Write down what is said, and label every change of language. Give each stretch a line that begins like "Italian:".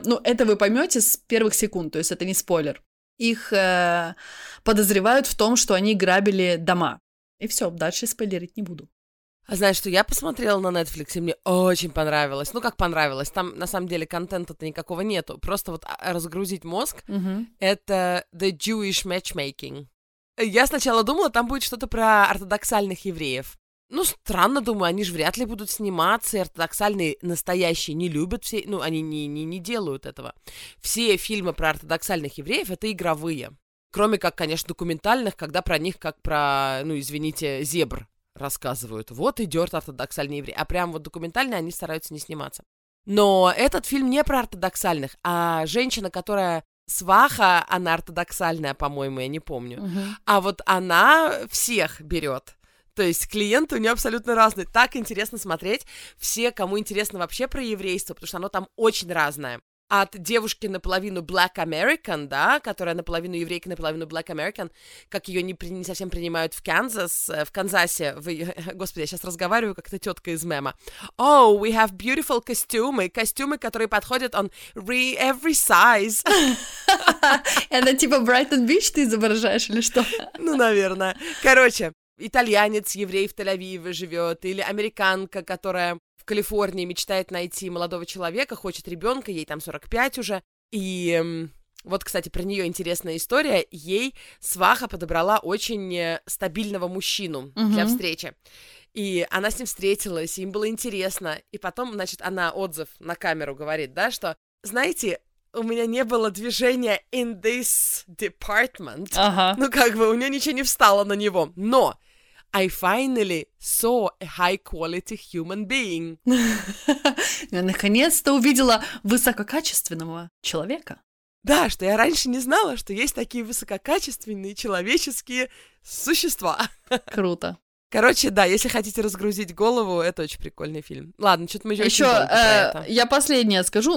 Russian: Ну, это вы поймете с первых секунд, то есть это не спойлер. Их подозревают в том, что они грабили дома. И все, дальше спойлерить не буду. А знаешь, что я посмотрела на Netflix, и мне очень понравилось. Ну, как понравилось? Там, на самом деле, контента-то никакого нету. Просто вот разгрузить мозг. Это «The Jewish Matchmaking». Я сначала думала, там будет что-то про ортодоксальных евреев. Ну, странно, думаю, они же вряд ли будут сниматься, и ортодоксальные настоящие не любят все, ну, они не делают этого. Все фильмы про ортодоксальных евреев — это игровые, кроме как, конечно, документальных, когда про них, как про, ну, извините, зебр рассказывают. Вот идет ортодоксальный еврей, а прям вот документальные они стараются не сниматься. Но этот фильм не про ортодоксальных, а женщина, которая... Сваха, она ортодоксальная, по-моему, я не помню. А вот она всех берет. То есть клиенты у нее абсолютно разные. Так интересно смотреть все, кому интересно вообще про еврейство, потому что оно там очень разное. От девушки наполовину Black American, да, которая наполовину еврейка, наполовину Black American, как ее не совсем принимают в Канзас, в Канзасе. Господи, я сейчас разговариваю, как эта тетка из мема.
English: Oh, we have beautiful
Russian: костюмы. Костюмы, которые подходят
English: on every size.
Russian: Это типа Brighton Beach ты изображаешь или что? Ну, наверное. Короче. Итальянец, еврей в Тель-Авиве живет, или американка, которая в Калифорнии мечтает найти молодого человека, хочет ребенка, ей там 45 уже. И вот, кстати, про нее интересная история. Ей сваха подобрала очень стабильного мужчину для встречи. И она с ним встретилась, им было интересно. И потом, значит, она отзыв на камеру говорит, да, что, знаете... У меня не было движения
English: in this department.
Russian: Ну, как бы, у нее ничего не встало на него. Но
English: I finally saw a high-quality human being.
Russian: Я наконец-то увидела высококачественного человека. Да, что я раньше не знала, что есть такие высококачественные человеческие существа. Круто. Короче, да, если хотите разгрузить голову, это очень прикольный фильм. Ладно, что-то мы еще... Еще я последнее скажу.